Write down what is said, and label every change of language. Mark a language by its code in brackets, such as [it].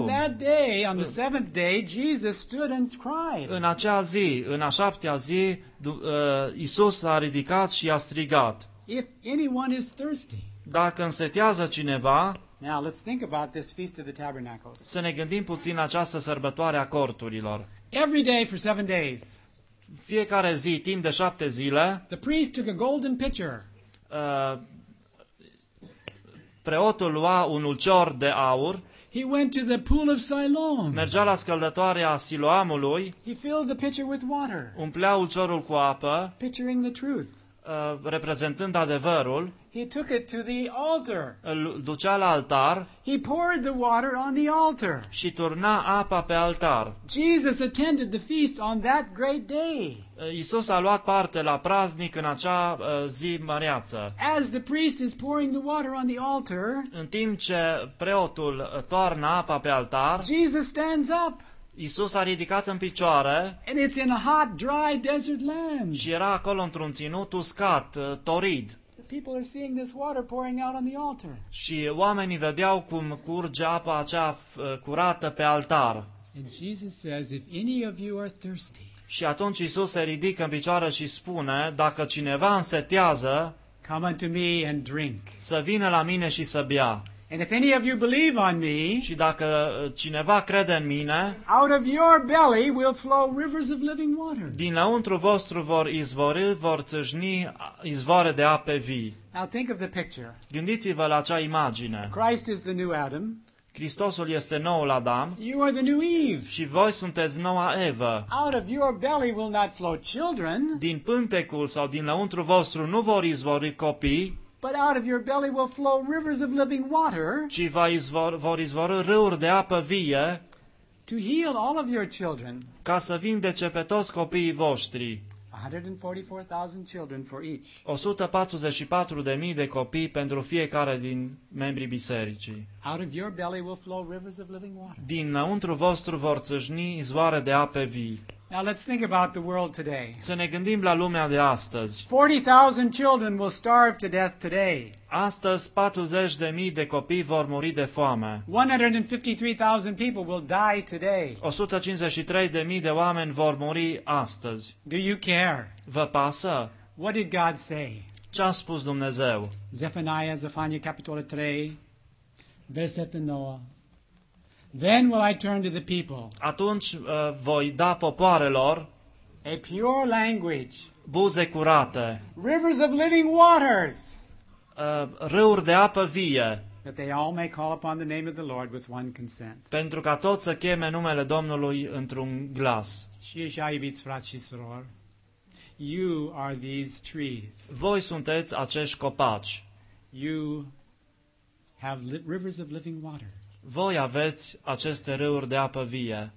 [en] In that day, on the seventh day, Jesus stood and cried. [ro] În acea zi, în a șaptea zi, Iisus s-a ridicat și a strigat. [en] If anyone is thirsty. [ro] Dacă însetează cineva. [en] Now let's think about this Feast of the Tabernacles. [ro] Să ne gândim puțin această sărbătoare a corturilor. [en] Every day for seven days. [ro] Fiecare zi, timp de șapte zile. [en] The priest took a golden pitcher. [ro] Preotul lua un ulcior de aur. [en] He went to the pool of Siloam. [ro] Mergea la scăldătoarea Siloamului. [en] He filled the pitcher with water. [ro] Umplea ulciorul cu apă. [en] Picturing the truth. [ro] Reprezentând adevărul, [en] he took it to the altar. [ro] Îl ducea la altar. [en] He poured the water on the altar. [ro] Și turna apa pe altar. [en] Jesus attended the feast on that great day. [ro] Iisus a luat parte la praznic în acea zi măreață. [en] As the priest is pouring the water on the altar, [ro] în timp ce preotul toarnă apa pe altar, [en] Jesus stands up. [ro] Iisus a ridicat în picioare. [en] And it's in a hot, dry desert land. [ro] Și era acolo într-un ținut uscat, torid. [en] People are seeing this water pouring out on the altar. [ro] Și oamenii vedeau cum curge apa acea curată pe altar. [en] And Jesus says, if any of you are thirsty. [ro] Și atunci Iisus se ridică în picioare și spune, dacă cineva însetează, [en] come unto me and drink. [ro] Să vină la mine și să bea. [en] And if any of you believe on me, [ro] și dacă cineva crede în mine, [en] out of your belly will flow rivers of living water. [ro] Dinăuntru vostru vor izvori, vor țâșni izvoare de ape vii. [en] Now think of the picture. [ro] Gândiți-vă la acea imagine. [en] Christ is the new Adam. [ro] Hristosul este noul Adam. [en] You are the new Eve. [ro] Și voi sunteți noua Eva. [en] Out of your belly will not flow children. [ro] Din pântecul sau dinăuntru vostru nu vor izvori copii. [en] But out of your belly will flow rivers of living water. [ro] Ci vor izvorâ râuri de apă vie. [en] To heal all of your children. [ro] Ca să vindece pe toți copiii voștri. [en] 144,000 children for each. [ro] 144,000 de copii pentru fiecare din membrii bisericii. [en] Out of your belly will flow rivers of living water. [ro] Dinăuntru vostru vor țâșni izvoare de apă vie. [en] Now let's think about the world today. [ro] Să ne gândim la lumea de astăzi. [en] 40,000 children will starve to death today. [ro] Astăzi 40,000 de copii vor muri de foame. [en] 153,000 people will die today. [ro] 153,000 de oameni vor muri astăzi. [en] Do you care? [ro] Vă pasă? [en] What did God say? [ro] Ce a spus Dumnezeu? Zefania, capitolul 3, versetul 9. [en] Then will I turn to the people. [ro] Atunci voi da popoarelor [en] a pure language. [ro] Buze curate. [en] Rivers of living waters. [ro] Râuri de apă vie. [en] That they all may call upon the name of the Lord with one consent. [ro] Pentru ca toți să cheme numele Domnului într-un glas. Și așa, iubiți frați și surori, [en] you are these trees. [ro] Voi sunteți acești copaci. [en] You have rivers of living water. [ro] Voi aveți aceste râuri de apă vie.